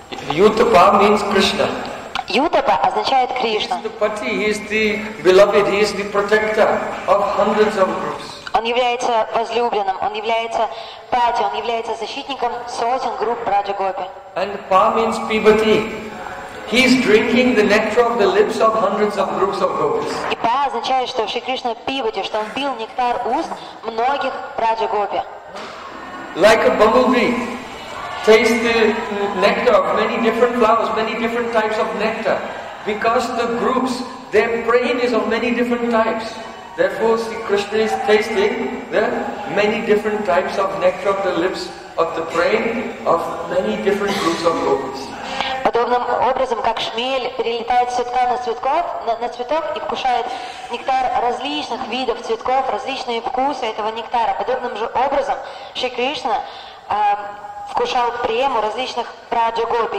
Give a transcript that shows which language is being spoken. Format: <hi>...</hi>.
<en>Ютапа means Krishna.</en> <ru>Ютапа означает Кришна.</ru> <en>He is the pati, he is the beloved, he is the protector of hundreds of groups.</en> <ru>Он является возлюбленным, он является пати, он является защитником сотен групп Браджа Гопи.</ru> <en>And pa means pibati. He is drinking the nectar of the lips of hundreds of groups of gopis. И па означает, что Шри Кришна пибати, что он пил нектар уст многих Браджа Гопи. Like a bumblebee. Taste the nectar of many different flowers, many different types of nectar. Because the groups, their brain is of many different types. Therefore, Sri Krishna is tasting the many different types of nectar of the lips of the brain of many different groups of gopis.</en> <ru>Подобным образом, как шмель перелетает с цветка на цветок, на цветок и вкушает нектар различных видов цветков, различные вкусы этого нектара. Подобным же образом, Шри Кришна вкушал прему различных Браджа Гопи.</ru>